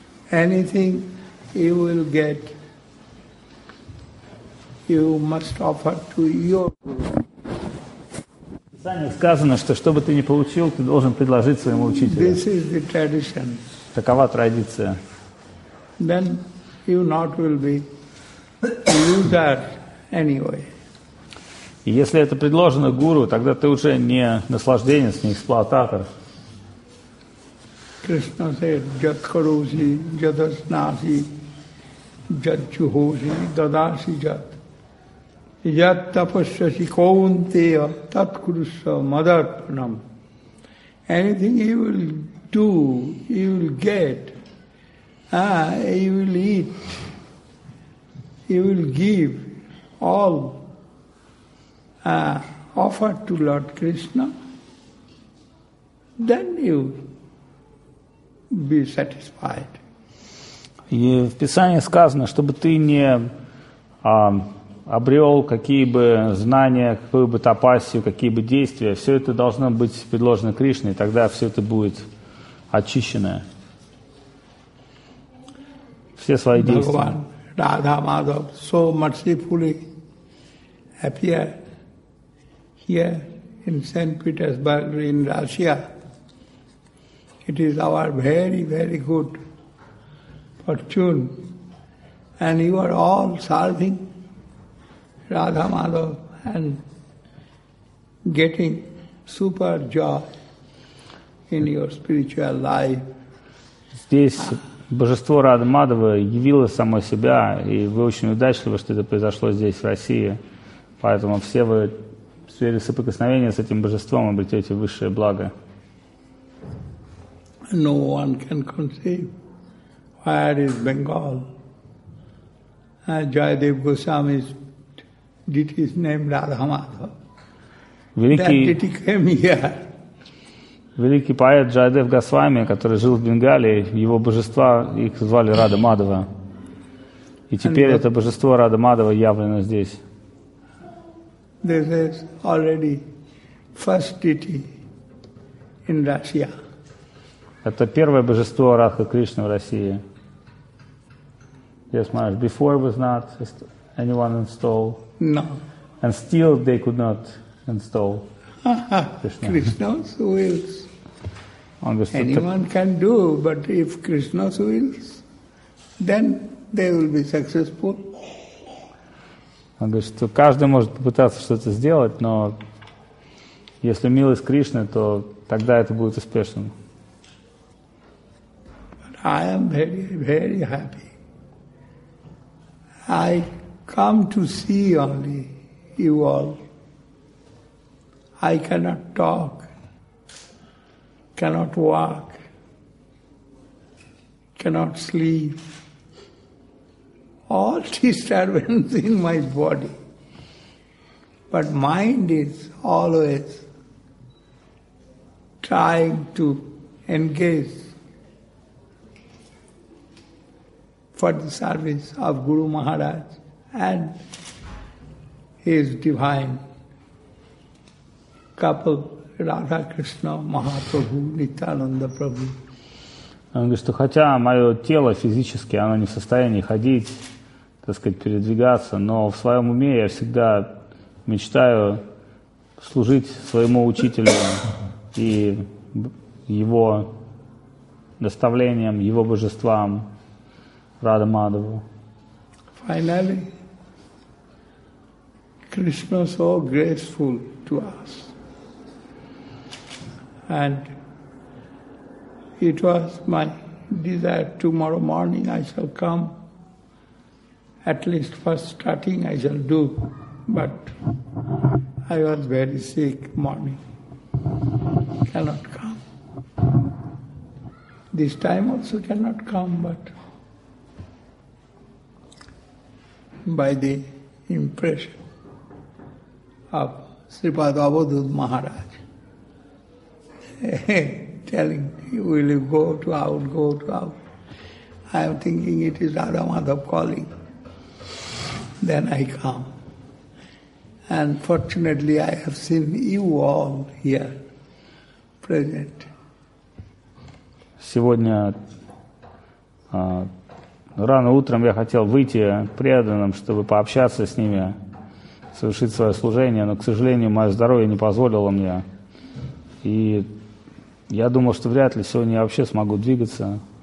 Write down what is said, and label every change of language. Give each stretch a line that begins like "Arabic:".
English: Anything you will get, you must offer to your guru.
Russian: Писание сказано, что что бы ты ни получил, ты должен предложить своему учителю.
English: This is the tradition.
Russian: Такова традиция.
English: Then you not will be loser anyway.
Russian: И если это предложено гуру, тогда ты уже не наслажденец, не эксплуататор.
English: Krishna said,
Sanskrit: jatkharusi, jatasnasi, jatchuhusi, dadasi jat. Yat tapasyasi kaunteya tat kurusya madarpanam.
English: Anything you will do, you will get, you will eat, you will give, all offered to Lord Krishna, then you be satisfied.
Russian: И в Писании сказано, чтобы ты не обрел какие бы знания, какую бы тапасию, какие бы действия, все это должно быть предложено Кришне, и тогда все это будет очищено. Все свои действия.
English: Radha Madhav so mercifully appear here in St. Petersburg in Russia. It is our very, very good fortune. And you are all serving Radha Madhav and getting super joy in your spiritual life.
Russian: Здесь божество Радха Мадхава явило само себя, и вы очень удачливы, что это произошло здесь, в России. Поэтому все вы в сфере соприкосновения с этим божеством обретете высшее благо.
English: No one can conceive where is Bengal. Jayadev Goswami is did his name Radha Madhav. That ditty came here.
Russian: Великий поэт Джайдев Госвами, который жил в Бенгалии, его божества, их звали Рада Мадава. И теперь это божество Рада Мадава явлено здесь.
English: This is already first deity in Russia.
Russian: Это первое божество Радха Кришны в России.
English: Yes, Maharaj. Before was not anyone installed. No. And still they could not install Krishna. Krishna's wills. Understood. Anyone can do, but if Krishna's wills, then they will be successful.
Russian: Он говорит, что каждый может попытаться что-то сделать, но если милость Кришны, то тогда это будет успешным.
English: I am very, very happy. I come to see only you all. I cannot talk, cannot walk, cannot sleep. All disturbance in my body. But mind is always trying to engage for the service of Guru Maharaj and his divine couple, Radha Krishna Mahaprabhu, Nityananda Prabhu.
Russian: Он говорит, что хотя мое тело физически, оно не в состоянии ходить, так сказать, передвигаться, но в своем уме я всегда мечтаю служить своему учителю и его наставлениям, его божествам, Radha Madhava.
English: Finally, Krishna so graceful to us. And it was my desire tomorrow morning I shall come. At least first starting I shall do. But I was very sick morning. Cannot come. This time also cannot come, but by the impression of Sripada Avadhut Maharaj telling, will you go to out, go to out. I am thinking it is Radha Madhav calling. Then I come. And fortunately I have seen you all here present.
Russian: Сегодня рано утром я хотел выйти к преданным, чтобы пообщаться с ними, совершить свое служение, но, к сожалению, мое здоровье не позволило мне. И я думал, что вряд ли сегодня я вообще смогу двигаться.